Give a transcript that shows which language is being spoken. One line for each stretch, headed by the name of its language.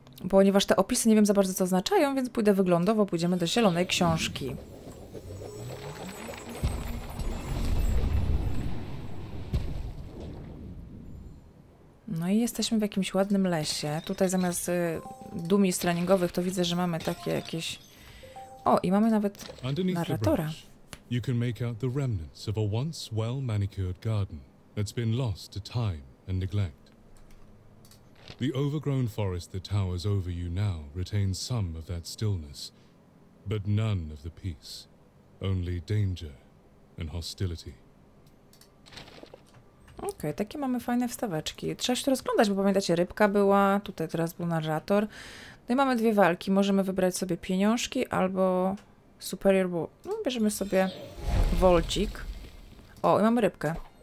Polish: Ponieważ te opisy nie wiem za bardzo co oznaczają, więc pójdę wyglądowo, pójdziemy do zielonej książki. No i jesteśmy w jakimś ładnym lesie. Tutaj zamiast dummies treningowych to widzę, że mamy takie jakieś... O, i mamy nawet narratora.
English: You can make out the remnants of a once well manicured garden that's been lost to time and neglect. The overgrown forest that towers over you now retains some of that stillness, but none of the peace, only danger and hostility.
Polish: Okej, takie mamy fajne wstaweczki. Trzeba się to rozglądać, bo pamiętacie, rybka była, tutaj teraz był narrator. No i mamy dwie walki, możemy wybrać sobie pieniążki albo superior, bo no, bierzemy sobie wolcik. O, i mamy rybkę.